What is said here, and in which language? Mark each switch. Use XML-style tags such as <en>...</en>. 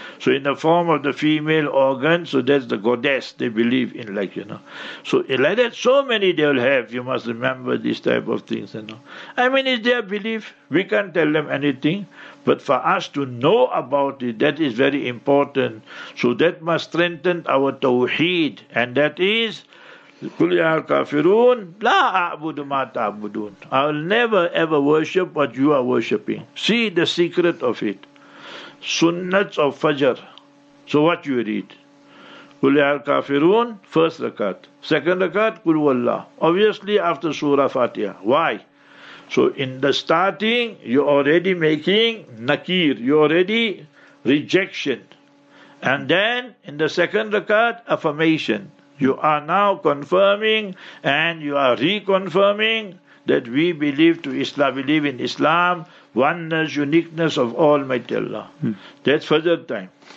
<en>So in the form of the female organ, so that's the goddess they believe in, like, you know. So like that, so many they'll have. You must remember these type of things, you know. I mean, it's their belief. We can't tell them anything. But for us to know about it, that is very important. So that must strengthen our tawheed. And that is,</en> <ar>قُلْ يَا الْكَافِرُونَ لَا أَعْبُدُ مَا تَعْبُدُونَ.</ar> <en>I'll never ever worship what you are worshipping. See the secret of it. Sunnats of Fajr. So what you read?</en> <ar>قُلْ يَا الْكَافِرُونَ</ar> <en>First rakat. Second rakat, قُلْ وَاللَّهُ. Obviously after Surah Fatiha. Why? So in the starting, you're already making nakir. You're already rejection. And then in the second rakat, affirmation. You are now confirming and you are reconfirming that we believe to Islam, believe in Islam, oneness, uniqueness of Almighty Allah. That's Fajr time.</en>